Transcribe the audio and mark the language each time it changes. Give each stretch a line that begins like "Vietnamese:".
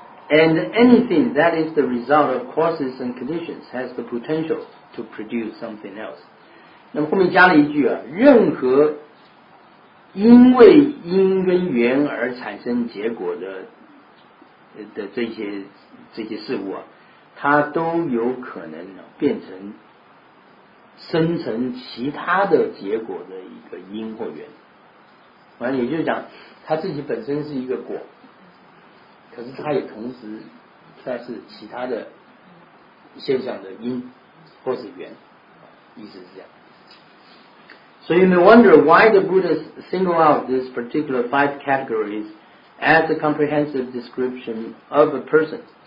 English: And anything that is the result of causes and conditions has the potential to produce something else.
Chinese: 那么后面加了一句啊，任何因为因跟缘而产生结果的这些事物啊，它都有可能变成生成其他的结果的一个因或缘。完了，也就是讲，它自己本身是一个果，可是它也同时算是其他的现象的因或是缘，意思是这样。
English: So you may wonder why the Buddha single out this particular five categories as a comprehensive description of a person.